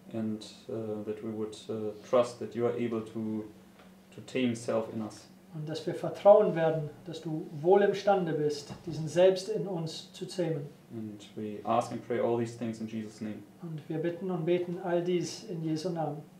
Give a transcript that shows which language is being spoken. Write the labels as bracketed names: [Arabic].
[English] And that we would trust that you are able to tame self in us. [German] Und dass wir vertrauen werden, dass du wohl imstande bist, diesen Selbst in uns zu zähmen. [English] And we ask and pray all these things in Jesus' name. [German] Und wir bitten und beten all dies in Jesu Namen.